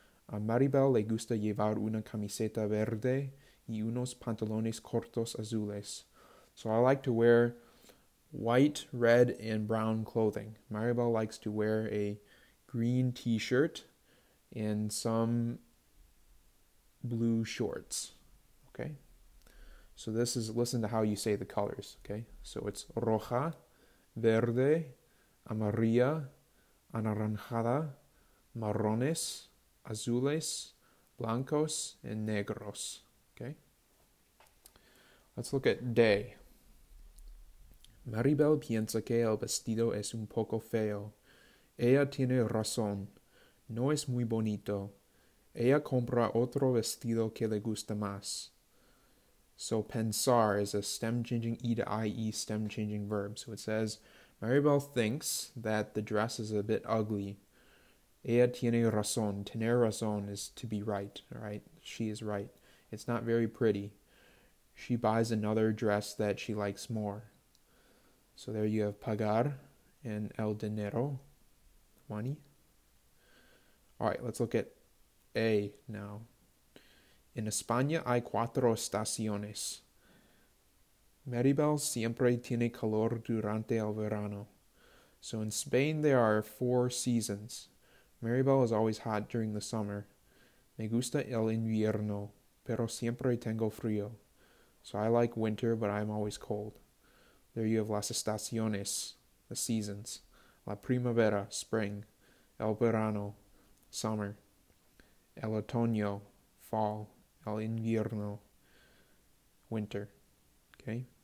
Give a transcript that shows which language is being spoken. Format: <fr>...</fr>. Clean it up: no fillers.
<es>A Maribel le gusta llevar una camiseta verde y unos pantalones cortos azules.</es> <en>So I like to wear white, red, and brown clothing. Maribel likes to wear a green t-shirt and some blue shorts. Okay? So this is, listen to how you say the colors. Okay? So it's roja, verde, amarilla, anaranjada, marrones, azules, blancos, and negros, okay? Let's look at D.</en> <es>Maribel piensa que el vestido es un poco feo. Ella tiene razón. No es muy bonito. Ella compra otro vestido que le gusta más.</es> <en>So pensar is a stem-changing E to IE stem-changing verb. So it says, Maribel thinks that the dress is a bit ugly.</en> <es>Ella tiene razón.</es> <en>Tener razón is to be right, right? She is right. It's not very pretty. She buys another dress that she likes more. So there you have pagar and el dinero, money. All right, let's look at A now.</en> <es>En España hay cuatro estaciones. Maribel siempre tiene calor durante el verano.</es> <en>So in Spain, there are four seasons. Maribel is always hot during the summer.</en> <es>Me gusta el invierno, pero siempre tengo frío.</es> <en>So I like winter, but I'm always cold. There you have las estaciones, the seasons. La primavera, spring.</en> <es>El verano, summer. El otoño, fall. El invierno, winter. Okay.</es>